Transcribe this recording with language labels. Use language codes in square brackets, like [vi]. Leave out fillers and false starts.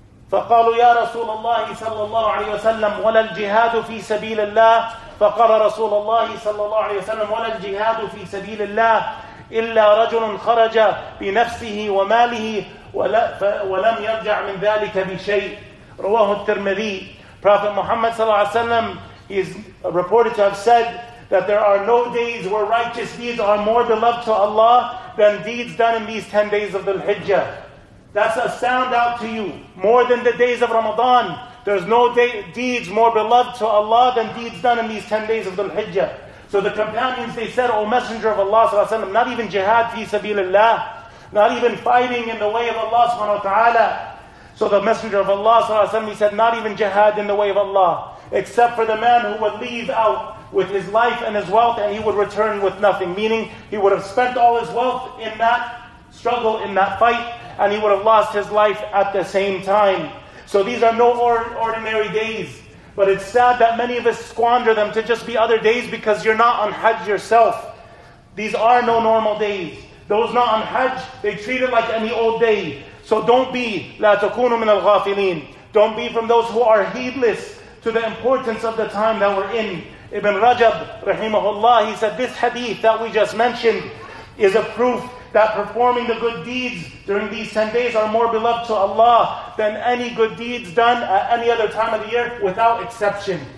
[ar] فقالوا يا رسول الله صلى الله عليه وسلم ولا الجهاد في سبيل الله. فقال رسول الله صلى الله عليه وسلم ولا الجهاد في سبيل الله إلا رجل خرج بنفسه وماله ولم يرجع من ذلك بشيء. رواه الترمذي. [en] Prophet Muhammad صلى الله عليه وسلم, he is reported to have said that there are no days where righteous deeds are more beloved to Allah than deeds done in these 10 days of Dhul-Hijjah. That's a sound out to you. More than the days of Ramadan, there's no deeds more beloved to Allah than deeds done in these 10 days of Dhul-Hijjah. So the companions, they said, O Messenger of Allah sallallahu alayhi wa sallam, not even jihad fi sabilillah, not even fighting in the way of Allah subhanahu wa ta'ala. So the Messenger of Allah sallallahu alayhi wa sallam, he said, not even jihad in the way of Allah, except for the man who would leave out with his life and his wealth, and he would return with nothing. Meaning, he would have spent all his wealth in that struggle, in that fight, and he would have lost his life at the same time. So these are no ordinary days. But it's sad that many of us squander them to just be other days because you're not on Hajj yourself. These are no normal days. Those not on Hajj, they treat it like any old day. So don't be, [ar] لا تكونوا من الغافلين. [en] Don't be from those who are heedless to the importance of the time that we're in. Ibn Rajab, rahimahullah, he said, this hadith that we just mentioned is a proof that performing the good deeds during these 10 days are more beloved to Allah than any good deeds done at any other time of the year without exception.